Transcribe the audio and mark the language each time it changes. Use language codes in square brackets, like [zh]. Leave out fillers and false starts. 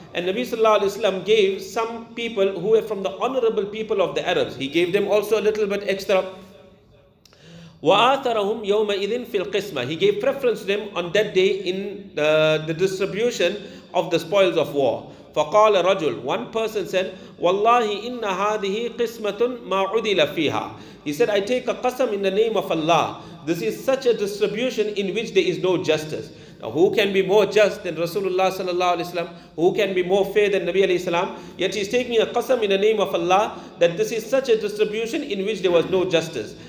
[en] And Nabi sallallahu alayhi wa sallam gave some people who were from the honorable people of the Arabs. He gave them also a little bit extra. [ar] وَآثَرَهُمْ يَوْمَئِذٍ فِي الْقِسْمَةِ. [en] He gave preference to them on that day in the distribution of the spoils of war. [ar] فَقَالَ رَجُلْ. [en] One person said, [ar] وَاللَّهِ إِنَّ هَذِهِ قِسْمَةٌ مَا عُدِلَ فِيهَا. [en] He said, I take a qasam in the name of Allah. This is such a distribution in which there is no justice. Now who can be more just than Rasulullah sallallahu alayhi wa sallam? Who can be more fair than Nabi alayhi wa sallam? Yet he's taking a qasam in the name of Allah that this is such a distribution in which there was no justice.